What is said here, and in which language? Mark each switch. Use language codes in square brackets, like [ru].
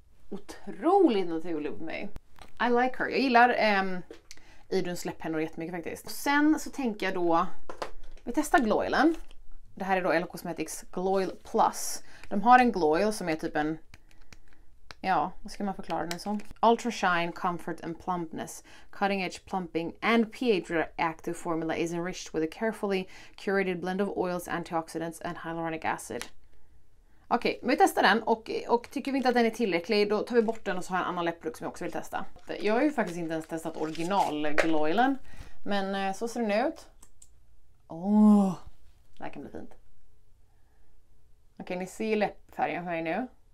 [sv] Otroligt naturlig på mig. [en] I like her. [sv] Jag gillar Iduns läpphänder jättemycket faktiskt. Och sen så tänker jag då, vi testar Gloylen. Det här är då LH Cosmetics Gloyl Plus. De har en Gloyl som är typ en, ja, vad ska man förklara den som? [en] Ultra Shine Comfort and Plumpness. Cutting Edge Plumping and pH Active Formula is enriched with a carefully curated blend of oils, antioxidants and hyaluronic acid. [sv] Okej, okay, men vi testar den och tycker vi inte att den är tillräcklig, då tar vi bort den och så har jag en annan läppprodukt som jag också vill testa. Jag har ju faktiskt inte ens testat original Gloylen, men så ser den ut. Åh, det här kan bli fint. Okej, okay, ni ser läppfärgen för mig nu.